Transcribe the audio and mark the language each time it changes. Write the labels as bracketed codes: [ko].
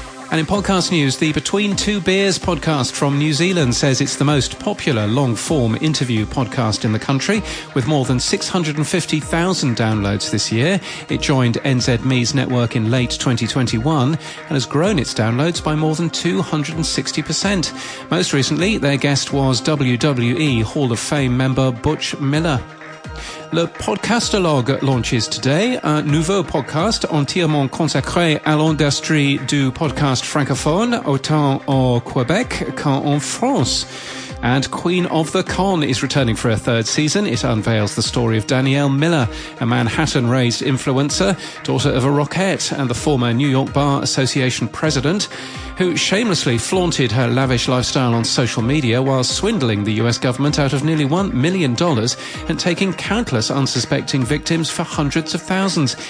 [en] And in podcast news, the Between Two Beers podcast from New Zealand says it's the most popular long-form interview podcast in the country, with more than 650,000 downloads this year. It joined NZME's network in late 2021 and has grown its downloads by more than 260%. Most recently, their guest was WWE Hall of Fame member Butch Miller. [fr] Le Podcastologue [en] launches today, [fr] a nouveau podcast entièrement consacré à l'industrie du podcast francophone, autant au Québec qu'en France. [en] And Queen of the Con is returning for a third season. It unveils the story of Danielle Miller, a Manhattan-raised influencer, daughter of a rockette and the former New York Bar Association president, who shamelessly flaunted her lavish lifestyle on social media while swindling the US government out of nearly $1 million and taking countless unsuspecting victims for hundreds of thousands.